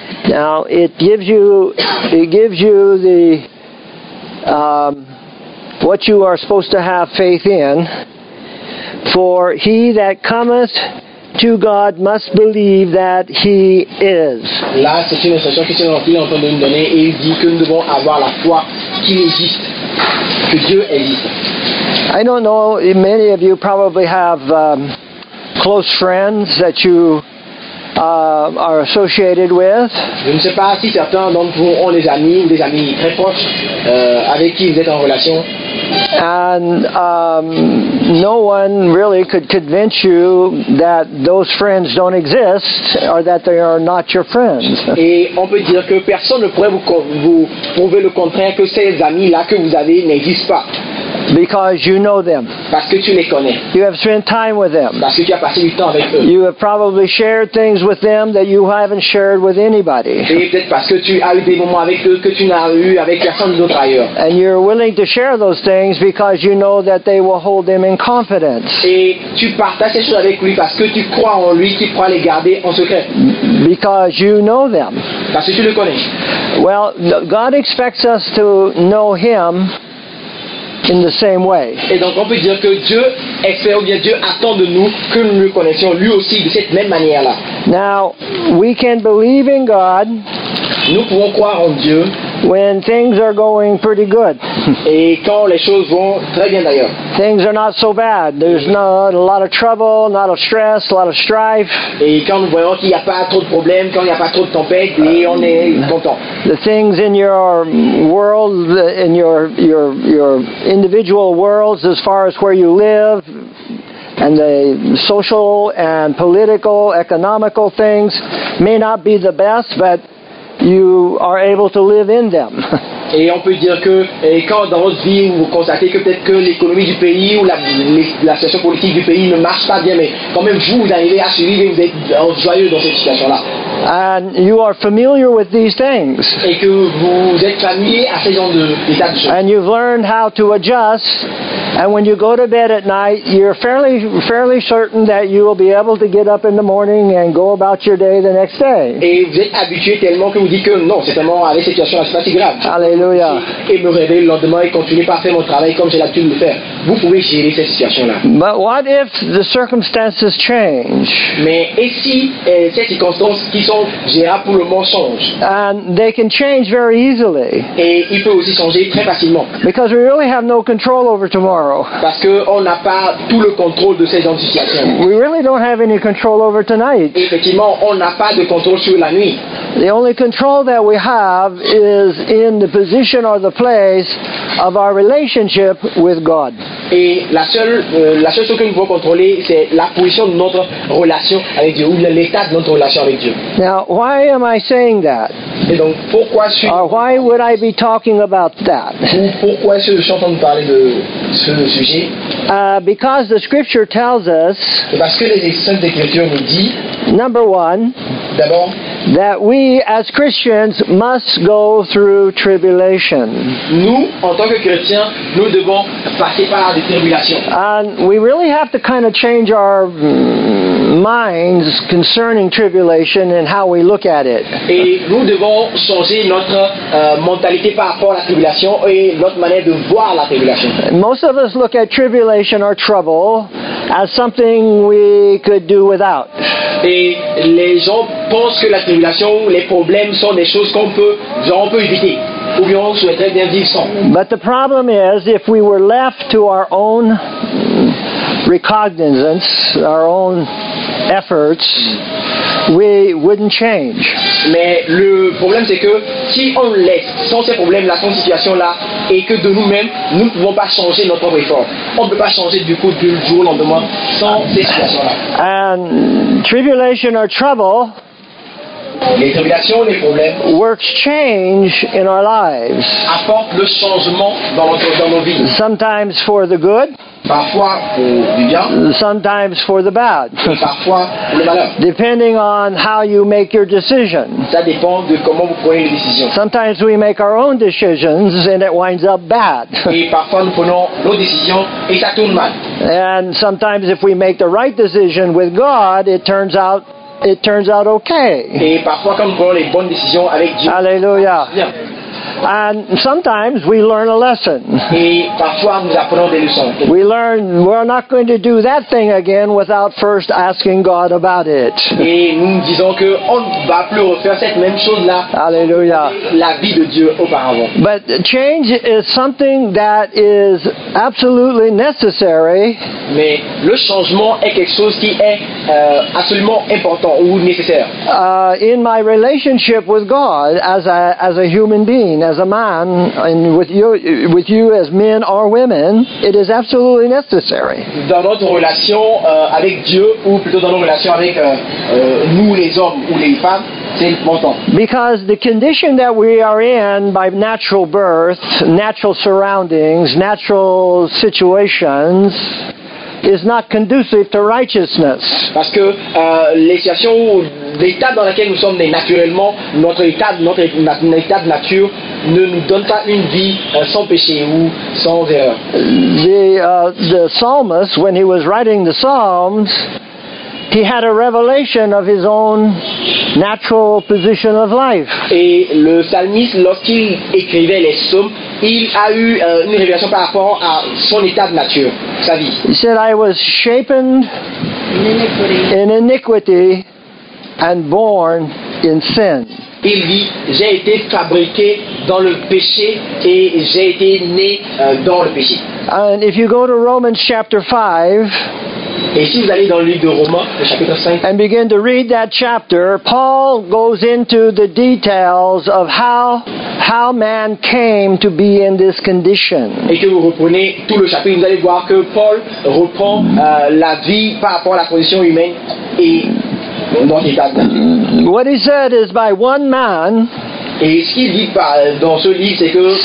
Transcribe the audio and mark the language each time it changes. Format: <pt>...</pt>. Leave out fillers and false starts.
<en>Now, it gives you the what you are supposed to have faith in. For he that cometh to God must believe that He is.</en> <fr>Là, c'est une instruction que Dieu est en train de nous donner, et il dit que nous devons avoir la foi qu'il existe, que Dieu existe.</fr> <en>I don't know. Many of you probably have close friends that you are associated with.</en> <fr>Je ne sais pas si certains d'entre vous ont des amis très proches avec qui vous êtes en relation.</fr> <en>And no one really could convince you that those friends don't exist or that they are not your friends.</en> <fr>Et on peut dire que personne ne pourrait vous prouver le contraire, que ces amis-là que vous avez n'existent pas.</fr> <en>Because you know them.</en> <fr>Parce que tu les connais.</fr> <en>You have spent time with them.</en> <fr>Parce que tu as passé du temps avec eux.</fr> <en>You have probably shared things with them that you haven't shared with anybody.</en> <fr>Et peut-être parce que tu as eu des moments avec eux que tu n'as eu avec personne d'autre ailleurs.</fr> <en>And you're willing to share those things because you know that they will hold them in confidence.</en> <fr>Et tu partages ces choses avec lui parce que tu crois en lui qui pourra les garder en secret.</fr> <en>Because you know them.</en> <fr>Parce que tu le connais.</fr> <en>Well, God expects us to know Him in the same way.</en> <fr>Et donc on peut dire que Dieu espère ou bien Dieu attend de nous que nous le connaissions lui aussi de cette même manière-là.</fr> <en>Now, we can believe in God.</en> <fr>Nous pouvons croire en Dieu.</fr> <en>When things are going pretty good.</en> <fr>Et quand les choses vont très bien d'ailleurs.</fr> <en>Things are not so bad. There's not a lot of trouble, not a stress, a lot of strife.</en> <fr>Et quand nous voyons qu'il n'y a pas trop de problèmes, quand il n'y a pas trop de tempêtes, et on est content.</fr> <en>The things in your world, in your individual worlds, as far as where you live, and the social and political, economical things, may not be the best, but you are able to live in them.</en> <fr>Et on peut dire que et quand dans votre vie vous constatez que peut-être que l'économie du pays ou la situation politique du pays ne marche pas bien, mais quand même vous arrivez à survivre et vous êtes joyeux dans cette situation-là.</fr> <en>And you are familiar with these things.</en> <fr>Et que vous êtes familier à ces genres d'états de choses.</fr> <en>And you've learned how to adjust. And when you go to bed at night, you're fairly certain that you will be able to get up in the morning and go about your day the next day.</en> <fr>Et vous êtes habitué tellement que vous dites que non, c'est tellement avec cette situation-là, c'est pas si grave. Alléluia. Et me réveiller le lendemain et continuer par faire mon travail comme j'ai l'habitude de le faire. Vous pouvez gérer cette situation-là.</fr> <en>But what if the circumstances change?</en> <fr>Mais et si ces circonstances qui sont gérables pour le moment changent?</fr> <en>And they can change very easily.</en> <fr>Et ils peuvent aussi changer très facilement.</fr> <en>Because we really have no control over tomorrow.</en> <fr>Parce qu'on n'a pas tout le contrôle de ces situations.</fr> <en>We really don't have any control over tonight.</en> <fr>Effectivement, on n'a pas de contrôle sur la nuit.</fr> <en>The only control that we have is in the position or the place of our relationship with God.</en> <fr>Et la seule chose que nous pouvons contrôler, c'est la position de notre relation avec Dieu, ou l'état de notre relation avec Dieu.</fr> <en>Now, why am I saying that?</en> <fr>Et donc, pourquoi suis-je?</fr> <en>Or why would I be talking about that?</en> <fr>Pourquoi est-ce que je suis en train de parler de ce sujet?</fr> <en>Because the scripture tells us,</en> <fr>parce que les Saintes Écritures nous disent,</fr> <en>number one,</en> <fr>d'abord,</fr> <en>that we as Christians must go through tribulation.</en> <fr>Nous, en tant que chrétiens, nous devons passer par des tribulations.</fr> <en>And we really have to kind of change our minds concerning tribulation and how we look at it.</en> <fr>Et nous devons changer notre mentalité par rapport à la tribulation et notre manière de voir la tribulation.</fr> <en>Most of us look at tribulation or trouble as something we could do without.</en> <fr>Et les gens pensent que la tribulation ou les problèmes sont des choses qu'on peut, genre, on peut éviter. Ou bien on souhaiterait bien vivre sans.</fr> <en>But the problem is, if we were left to our own recognizance, our own efforts, we wouldn't change.</en> <fr>Mais le problème c'est que si on laisse sans ces problèmes-là, sans situation-là, et que de nous-mêmes, nous ne pouvons pas changer notre propre effort. On ne peut pas changer du coup du jour au lendemain sans ces situations-là.</fr> <en>And tribulation or trouble,</en> <fr>les tribulations, les problèmes,</fr> <en>works change in our lives.</en> <fr>Apporte le changement dans nos vies.</fr> <en>Sometimes for the good.</en> <fr>Parfois pour du bien.</fr> <en>Sometimes for the bad.</en> <fr>Parfois pour le malheur.</fr> <en>Depending on how you make your decision.</en> <fr>Ça dépend de comment vous prenez les décisions.</fr> <en>Sometimes we make our own decisions and it winds up bad.</en> <fr>Et parfois nous prenons nos décisions et ça tourne mal.</fr> <en>And sometimes if we make the right decision with God, it turns out okay.</en> <fr>Et parfois quand nous prenons les bonnes décisions avec Dieu.</fr> <en>Alléluia. And sometimes we learn a lesson.</en> <fr>Et parfois nous apprenons des leçons.</fr> <en>We learn we're not going to do that thing again without first asking God about it.</en> <fr>Et nous disons que on ne va plus refaire cette même chose là. Alléluia. La vie de Dieu auparavant.</fr> <en>But change is something that is absolutely necessary.</en> <fr>Mais le changement est quelque chose qui est absolument important ou nécessaire.</fr> <en>In my relationship with God as a human being, as a man, and with you as men or women, it is absolutely necessary.</en> <fr>Dans notre relation avec Dieu, ou plutôt dans nos relations avec nous les hommes ou les femmes, C'est important.</fr> <en>Because the condition that we are in by natural birth, natural surroundings, natural situations is not conducive to righteousness.</en> <fr>Parce que l'état ou l'état dans lequel nous sommes nés naturellement, notre état de nature ne nous donne pas une vie sans péché ou sans erreur.</fr> <en>The psalmist, when he was writing the Psalms, he had a revelation of his own natural position of life.</en> <fr>Et le psalmiste, lorsqu'il écrivait les psaumes, il a eu une révélation par rapport à son état de nature, sa vie.</fr> <en>He said, I was shapen in iniquity and born in sin.</en> <fr>Il dit, j'ai été fabriqué dans le péché et j'ai été né dans le péché.</fr> <en>And if you go to Romans chapter 5,</en> <fr>et si vous allez dans le livre de Romains, le chapitre 5,</fr> <en>and begin to read that chapter, Paul goes into the details of how man came to be in this condition.</en> <fr>Et que vous reprenez tout le chapitre, vous allez voir que Paul reprend la vie par rapport à la condition humaine et notre état.</fr> <en>What he said is by one man.</en> <fr>Et ce qu'il dit dans ce livre, c'est que</fr>